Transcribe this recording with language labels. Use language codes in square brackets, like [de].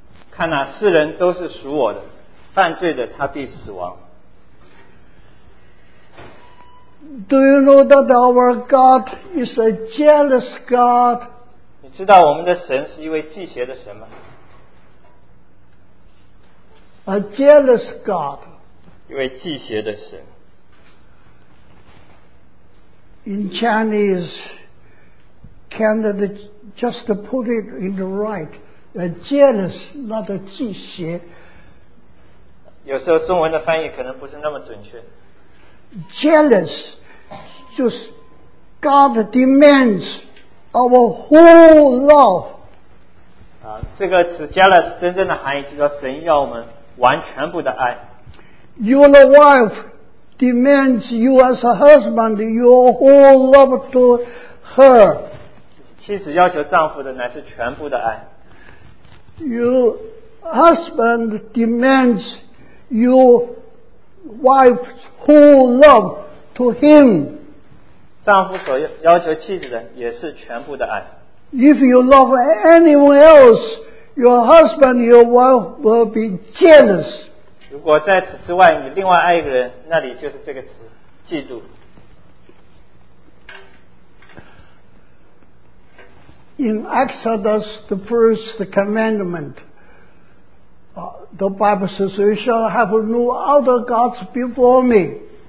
[zh] 看哪，世人都是属我的，犯罪的他必死亡。 [en] Do you know that our God is a jealous God? [zh] 你知道我们的神是一位忌邪的神吗？ [en] A jealous God. [zh] 一位忌邪的神。 [en] In Chinese, can the just to put it in the right, jealous, not a 嫉邪. [zh] 有时候中文的翻译可能不是那么准确。 [en] Jealous, [zh] 就是 [en] God demands our whole love. [zh] 这个词 jealous 真正的含义就是神要我们完全部的爱。 [en] Your wife demands you as a husband, your whole love to her. [zh] 妻子要求丈夫的乃是全部的爱。 [en] Your husband demands your wife's whole love to him. [zh] 丈夫所要求妻子的也是全部的爱。 [en] If you love anyone else, your husband, your wife will be jealous. [zh] 如果在此之外你另外爱一个人，那里就是这个词， 嫉妒。 [en] In Exodus, the first commandment, the Bible says, you shall have no other gods before me.